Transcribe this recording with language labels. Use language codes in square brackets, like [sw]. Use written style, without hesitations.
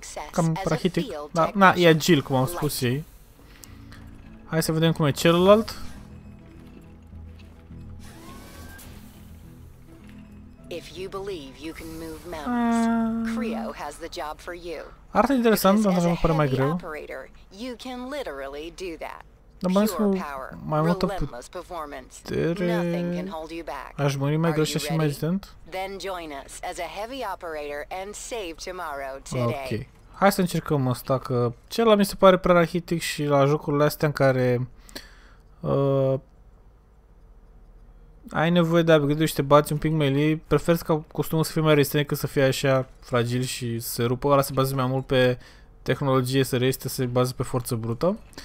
[ro] Cam prahitic, na, e agil, cum am spus ei. Hai să vedem cum e celălalt. [en] If you believe you can move mountains, Creo has the job for you. [ro] Arată interesant, dar nu pare mai greu. [en] Operator, you can literally do that. Pure power, [ro] mai multă putere. [en] Nothing can hold you back. [ro] Aș muri mai greu și aș fi mai rezistent. [en] Then join us as a heavy operator and save tomorrow today. Ok. [ro] Hai să încercăm asta, că cel mi se pare prea rahitic și la jocurile astea în care ai nevoie de upgrade-uri și te bați un pic melee, prefer ca costumul să fie mai rezistent decât să fie așa fragil și să se rupă. Ăla se bazează mai mult pe tehnologie, să reiste, se bazează pe forță brută.